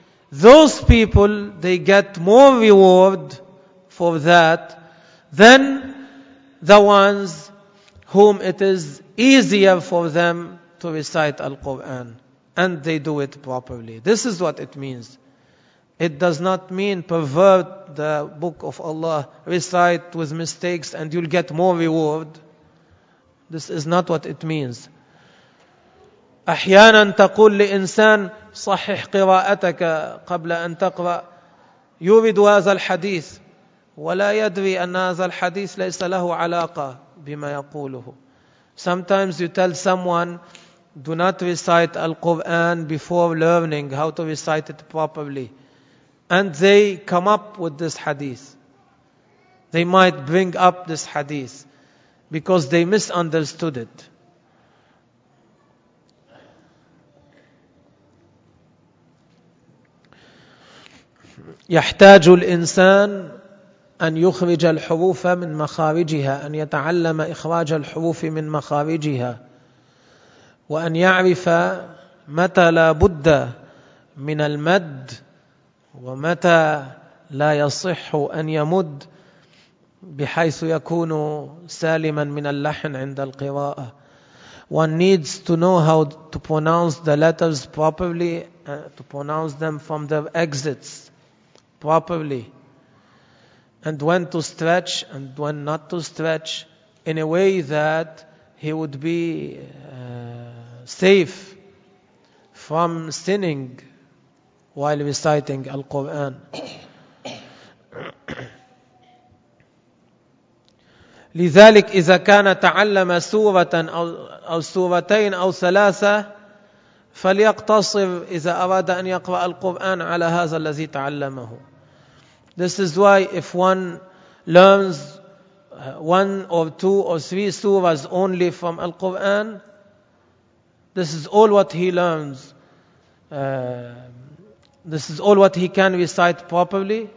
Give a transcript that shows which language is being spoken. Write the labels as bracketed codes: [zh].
[en] Those people, they get more reward for that than the ones whom it is easier for them to recite Al-Quran. And they do it properly. This is what it means. It does not mean pervert the book of Allah, recite with mistakes and you'll get more reward. This is not what it means. [ar] أحيانا تقول لإنسان صحح قراءتك قبل أن تقرأ. يورد هذا الحديث ولا يدري أن هذا الحديث ليس له علاقة بما يقوله. [en] Sometimes you tell someone, do not recite Al-Quran before learning how to recite it properly. And they come up with this hadith. They might bring up this hadith because they misunderstood it. [ar] يحتاج الإنسان أن يخرج الحروف من مخارجها، أن يتعلم إخراج الحروف من مخارجها، وأن يعرف متى لا بد من المد ومتى لا يصح أن يمد بحيث يكون سالما من اللحن عند القراءة. [en] One needs to know how to pronounce the letters properly, to pronounce them from their exits properly, and when to stretch and when not to stretch in a way that he would be safe from sinning while reciting Al-Quran. [ar] لذلك إذا كان تعلم سورة أو سورتين أو ثلاثة فليقتصر إذا أراد أن يقرأ القرآن على هذا الذي تعلمه. [en] This is why if one learns one or two or three surahs only from Al-Quran, this is all what he learns. This is all what he can recite properly.